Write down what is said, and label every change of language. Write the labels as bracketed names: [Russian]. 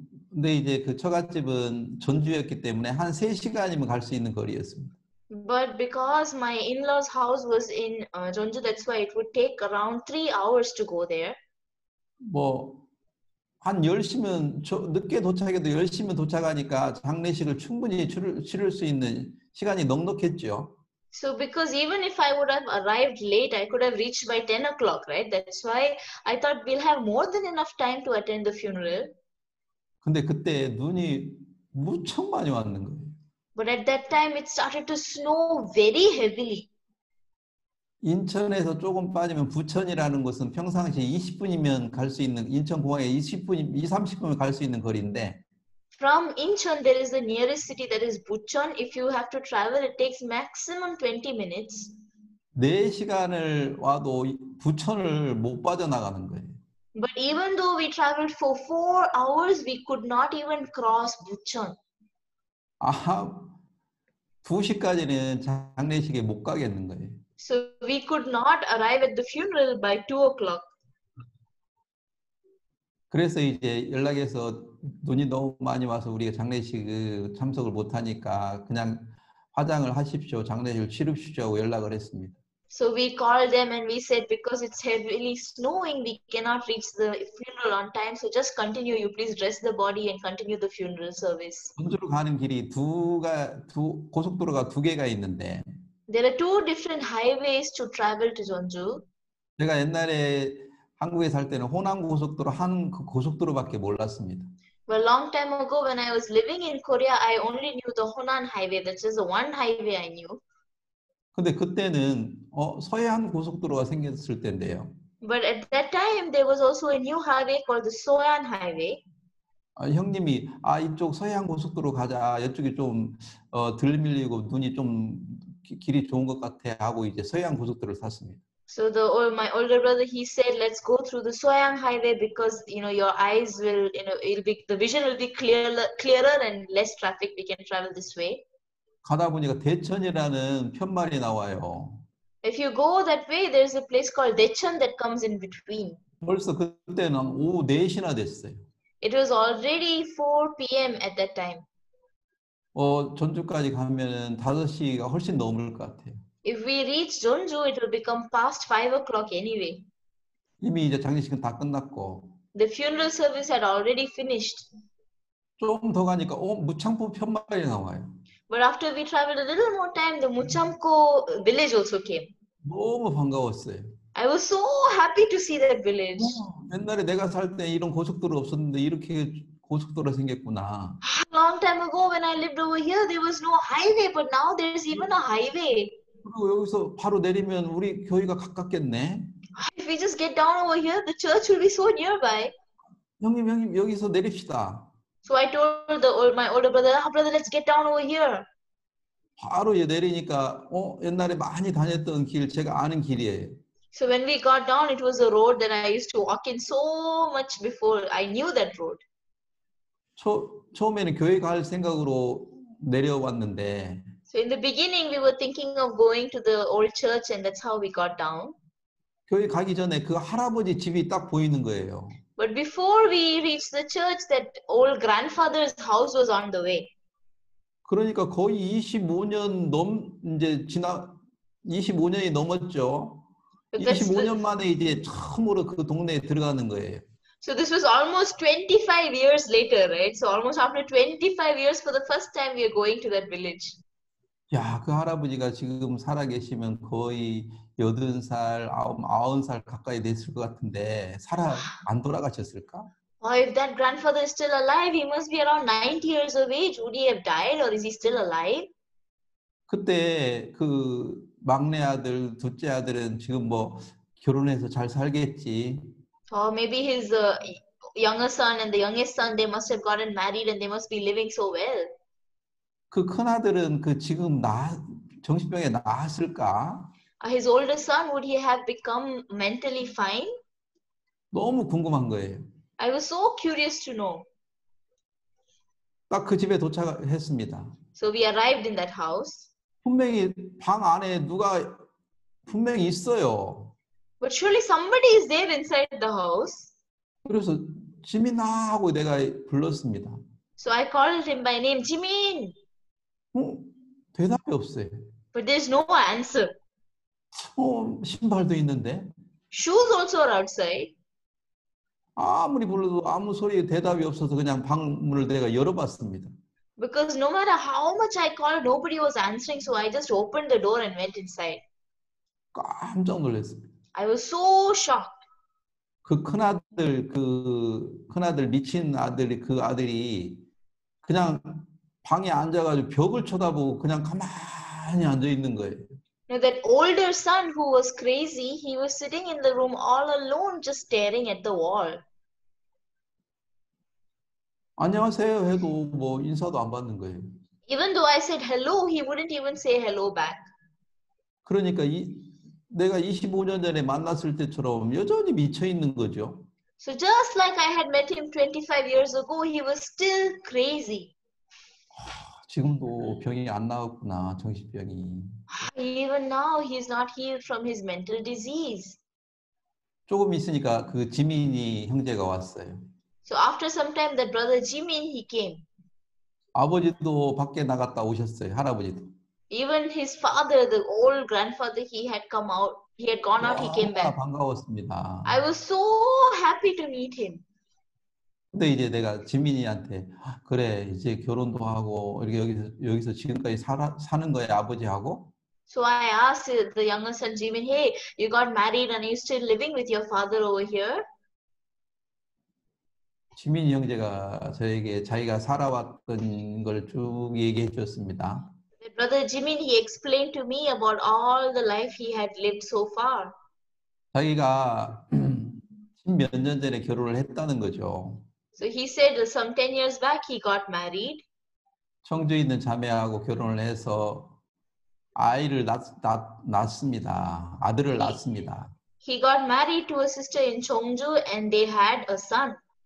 [Korean] 근데 이제 그 처갓집은 전주였기 때문에 한 3시간이면 갈 수 있는 거리였습니다. [English] But because my in-law's house was in Jeonju, that's why it would take around 3 hours to go there. [Korean] 뭐 한 10시면 늦게 도착해도 10시면 도착하니까 장례식을 충분히 치를 수 있는 시간이 넉넉했죠. [English] So because even if I would have arrived late, I could have reached by 10 o'clock, right? That's why I thought we'll have more than enough time to attend the funeral. [Korean] 근데 그때 눈이 무척 많이 왔는 거예요. [English] But at that time, it started to snow very heavily. [Korean] 인천에서 조금 빠지면 부천이라는 곳은 평상시 20분이면 갈 수 있는 인천 공항에 20-30분 갈 수 있는 거리인데. [English] From Incheon, there is the nearest city that is Bucheon. If you have to travel, it takes maximum 20 minutes. [Korean] 네 시간을 와도 부천을 못 빠져나가는 거예요. [English] But even though we traveled for 4 hours, we could not even cross Bucheon. [Korean] 아하, 2시까지는 장례식에 못 가겠는 거예요. [English] So we could not arrive at the funeral by 2 o'clock. [Korean] 그래서 이제 연락해서 눈이 너무 많이 와서 우리가 장례식 참석을 못하니까 그냥 화장을 하십시오, 장례식을 치르십시오 하고 연락을 했습니다. [English] So we called them and we said because it's heavily snowing, we cannot reach the funeral on time. So just continue, you please dress the body and continue the funeral service. [Korean] 전주로 가는 길이 고속도로가 두 개가 있는데. [English] There are two different highways to travel to Jeonju. [Korean] 제가 옛날에 한국에 살 때는 호남고속도로 한 그 고속도로밖에 몰랐습니다. [English] Well, long time ago when I was living in Korea, I only knew the Honan Highway. That's just the one highway I knew. [Korean] 근데 그때는 서해안 고속도로가 생겼을 때인데요. [English] But at that time, there was also a new highway called the Soyan Highway. [Korean] 형님이 이쪽 서해안 고속도로 가자. 이쪽이 좀 들밀리고 눈이 좀 길이 좋은 것 같아 하고 이제 서해안 고속도로를 탔습니다. [English] So my older brother, he said, let's go through the Soyang Highway because, you know, your eyes will, you know, the vision will be clearer and less traffic. We can travel this way. [Korean] 가다 보니까 대천이라는 편말이 나와요. [English] If you go that way, there's a place called Daechon that comes in between. [Korean] 벌써 그때는 오후 4시나 됐어요. [English] It was already 4 p.m. at that time. [Korean] 전주까지 가면 5시가 훨씬 넘을 것 같아요. [English] If we reach Jeonju, it will become past 5 o'clock anyway. [Korean] 이미 이제 장례식은 다 끝났고. [English] The funeral service had already finished. [Korean] 조금 더 가니까 무창포 편말이 나와요. [English] But after we traveled a little more time, the Muchamko village also came. [Korean] 너무 반가웠어요. [English] I was so happy to see that village. [Korean] 옛날에 내가 살 때 이런 고속도로 없었는데 이렇게 고속도로 생겼구나. [English] Long time ago when I lived over here, there was no highway, but now there's even a highway. [Korean] 그리고 여기서 바로 내리면 우리 교회가 가깝겠네. [English] If we just get down over here, the church will be so nearby. [Korean] 형님 여기서 내립시다. [English] So I told my older brother, brother, let's get down over here. [Korean] 바로 내리니까 옛날에 많이 다녔던 길, 제가 아는 길이에요. [English] So when we got down, it was a road that I used to walk in so much before. I knew that road. [Korean] 처음에는 교회 갈 생각으로 내려왔는데. [English] So in the beginning, we were thinking of going to the old church, and that's how we got down. [Korean] 교회 가기 전에 그 할아버지 집이 딱 보이는 거예요. [English] But before we reached the church, that old grandfather's house was on the way. [Korean] 그러니까 거의 25년이 넘었죠. 25년 만에 이제 처음으로 그 동네에 들어가는 거예요. [English] So this was almost 25 years later, right? So almost after 25 years, for the first time, we are going to that village. [Korean] 야, 그 할아버지가 지금 살아계시면 거의 80살, 90살 가까이 됐을 것 같은데 살아 안 돌아가셨을까? [English] Oh, if that grandfather is still alive, he must be around 90 years of age. Would he have died or is he still alive? [Korean] 그때 그 막내 아들, 둘째 아들은 지금 뭐 결혼해서 잘 살겠지. [English] Oh, maybe his younger son and the youngest son, they must have gotten married and they must be living so well. [Korean] 그 큰 아들은 그 지금 나 정신병에 나았을까? [English] His older son, would he have become mentally fine? [Korean] 너무 궁금한 거예요. [English] I was so curious to know. [Korean] 딱 그 집에 도착했습니다. [English] So we arrived in that house. [Korean] 분명히 방 안에 누가 분명히 있어요. [English] But surely somebody is there inside the house. [Korean] 그래서 지민아 하고 내가 불렀습니다. [English] So I called him by name, Jimin. [Korean] 대답이 없어요. [English] But there's no answer. [Korean] 신발도 있는데. [English] Shoes also are outside. [Korean] 아무리 불러도 아무 소리 대답이 없어서 그냥 방문을 내가 열어봤습니다. [English] Because no matter how much I called, nobody was answering, so I just opened the door and went inside. [Korean] 깜짝 놀랐습니다. [English] I was so shocked. [Korean] 그 큰아들, 그 큰아들 미친 아들이 그 아들이 그냥 방에 앉아가지고 벽을 쳐다보고 그냥 가만히 앉아 있는 거예요. [English] Now that older son who was crazy, he was sitting in the room all alone, just staring at the wall. [Korean] 안녕하세요 해도 뭐 인사도 안 받는 거예요. [English] Even though I said hello, he wouldn't even say hello back. [Korean] 그러니까 내가 25년 전에 만났을 때처럼 여전히 미쳐 있는 거죠. [English] So just like I had met him 25 years ago, he was still crazy. [Korean] 지금도 병이 안 나왔구나, 정신병이. [English] Even now, he's not healed from his mental disease. [Korean] 조금 있으니까 그 지민이 형제가 왔어요. [English] So after some time, that brother Jimin, he came. [Korean] 아버지도 밖에 나갔다 오셨어요, 할아버지도. [English] Even his father, the old grandfather, he had come out. He had gone out, he came back. [Korean] 반가웠습니다. [English] I was so happy to meet him. [Korean] 근데 이제 내가 지민이한테 그래 이제 결혼도 하고 이렇게 여기서 지금까지 사는 거야 아버지하고. [English] So I asked the younger son Jimin, hey, you got married and you're still living with your father over here? [Korean] 지민 형제가 저에게 자기가 살아왔던 걸 쭉 얘기해 주었습니다. [English] Brother Jimin, he explained to me about all the life he had lived so far. [Korean] 자기가 몇 년 전에 결혼을 했다는 거죠. [English] So he said some 10 years back he got married. [Korean] 청주에 있는 자매하고 결혼을 해서 아이를 낳았습니다. 아들을 낳았습니다. [English] He got married to a sister in Cheongju and they had a son.